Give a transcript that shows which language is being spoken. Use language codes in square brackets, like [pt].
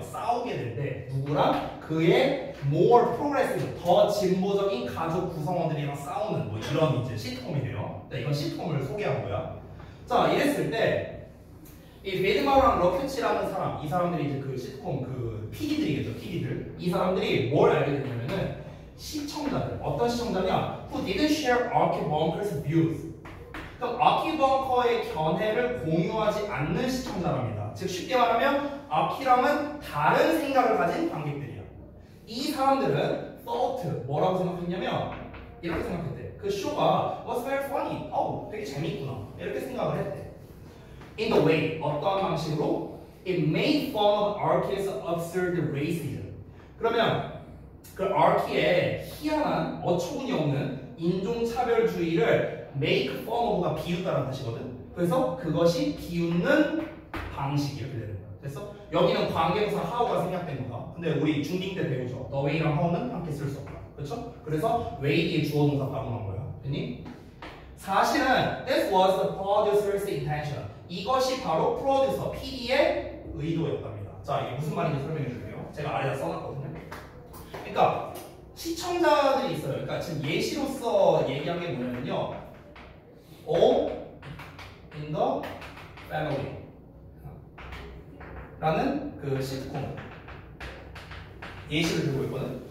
[ko] 싸우게 될때 누구랑? 그의 [en] more progressive, [ko] 더 진보적인 가족 구성원들이랑 싸우는 뭐 이런 이제 시트콤이래요. 네, 이건 시트콤을 소개한 거야. 자, 이랬을 때 이 비드마우랑 러큐치라는 사람, 이 사람들이 이제 그 시트콤 그 PD들이겠죠, PD들. 이 사람들이 뭘 알게 됐냐면은 시청자들, 어떤 시청자냐? [en] Who didn't share Archie Bunker's views. [ko] 그럼 Archie Bunker의 견해를 공유하지 않는 시청자랍니다. 즉 쉽게 말하면 Archie랑은 다른 생각을 가진 관객들이야. 이 사람들은 thought, 뭐라고 생각했냐면 이렇게 생각했대. 그 쇼가 [en] was very funny. [ko] 되게 재밌구나. 이렇게 생각을 했대. [en] In the way, [ko] 어떤 방식으로? [en] It made fun of Archie's absurd racism. [ko] 그러면 그 아키의 희한한 어처구니 없는 인종차별주의를 [en] make fun of [ko] 가 비웃다라는 뜻이거든. 그래서 그것이 비웃는 방식이 이렇게 되는 거야. 됐어? 여기는 관계부사 how가 생략된 거다. 근데 우리 중딩 때 배우죠. The way랑 how는 함께 쓸 수 없다. 그렇죠? 그래서 way 뒤에 주어동사 발음한 거야. 됐니? 사실은 [en] this was the producer's intention. [ko] 이것이 바로 producer, PD의 의도였답니다. 자, 이게 무슨 말인지 설명해 줄게요. 제가 아래다 써놨거든요. 그러니까 시청자들이 있어요. 그러니까 지금 예시로서 얘기한 게 뭐냐면요. All in the family 라는 그 시트콤 예시를 들고 있거든.